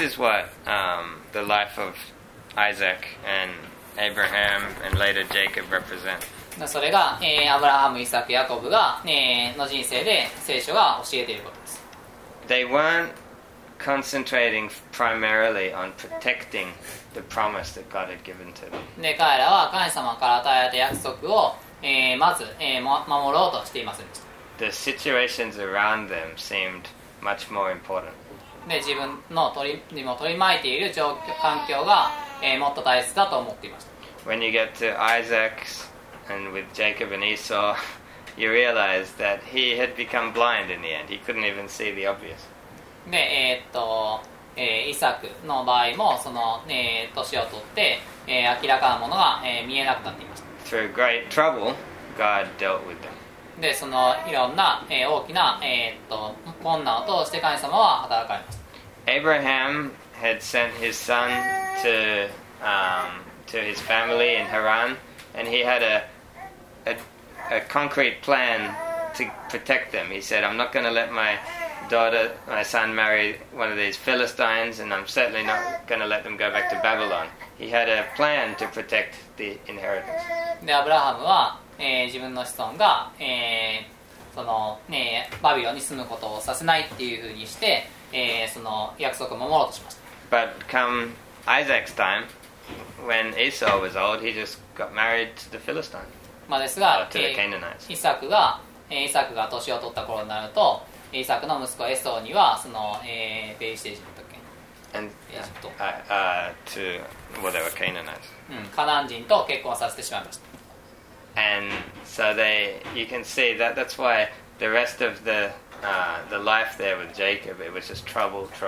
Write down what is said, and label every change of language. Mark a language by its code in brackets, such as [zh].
[en] This is what, the life of Isaac and Abraham and later Jacob represent. [ja] それが、アブラハム、イサク、ヤコブが、の人生で聖書が教えていることです。 [en] They weren't concentrating primarily on protecting the promise that God had given to them. [ja] で、彼らは神様から与えられた約束を、まず、守ろうとしていませんでした。 [en] The situations around them seemed much more important. [ja] で、自分の取り巻いている状況、環境が、もっと大切だと思っていました。 [en] When you get to Isaac'sAnd with Jacob and Esau, you realize that he had become blind in the end. He couldn't even see the obvious. [ja] で、イサクの場合も、その、年を取って、明らかなものが、見えなくなっていました。 [en] Through great trouble, God dealt with them. [ja] で、そのいろんな、大きな、困難を通して神様は働かれました。 [en] Abraham had sent his son to his family in Haran. And he had a concrete plan to protect them. He said, I'm not going to let my son marry one of these Philistines, and I'm certainly not going to let them go back to Babylon. He had a plan to protect the inheritance. [ja] で、アブラハムは、自分の子孫が、その、ね、バビロンに住むことをさせないっていうふうにして、その約束を守ろうとしました。 [en] But come Isaac's time,When Esau was old, he just got married to the Philistine. [ja] まあですが、 [en] to the Canaanites. [ja] イサクが年を取った頃になると、イサクの息子エソーにはその、ペリシテ人だっけ。 [en] And to well, they were Canaanites. [ja] カナン人と結婚させてしまいました。 [en] And so they, you can see that that's why the rest of the life there with Jacob, it was just trouble.